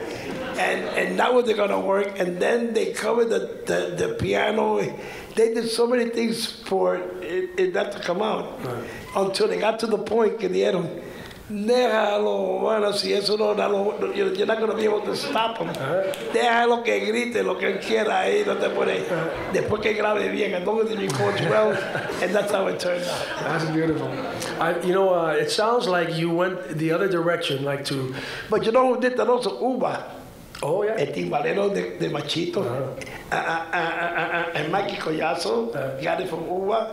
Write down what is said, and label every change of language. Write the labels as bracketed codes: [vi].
[en] And that was going to work. And then they covered the piano. They did so many things for it not to come out. Right. Until they got to the point, [es] que dieron, déjalo, bueno, si eso no, no, [en] no, you're not going to be able to stop them. [es] Déjalo que grite lo que él quiera ahí, no te pone. Después que grabe bien, [en] as long as you record well, and that's how it turned out. That's beautiful. It sounds like you went the other direction, like to. But you know who did that also? Uba. Oh, yeah. [es] El timbalero de Machito. [en] And Mikey Collazo got it from Uba.